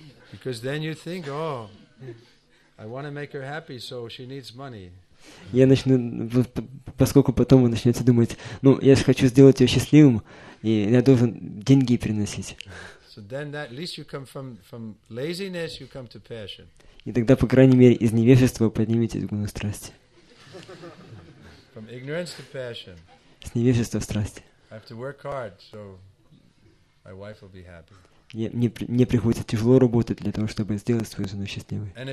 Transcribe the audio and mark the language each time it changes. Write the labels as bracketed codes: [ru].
[en] Because then you think, oh, I want to make her happy, so she needs money. [ru] Я начну, поскольку потом вы начнете думать, ну, я же хочу сделать ее счастливым, и я должен деньги приносить. [en] So then that, at least you come from laziness, you come to passion. [ru] И тогда, по крайней мере, из невежества подниметесь к гуну страсти. [en] From ignorance to passion. [ru] С невежества в страсти. [en] I have to work hard, so my wife will be happy. [ru] Мне приходится тяжело работать для того, чтобы сделать свою жену счастливой.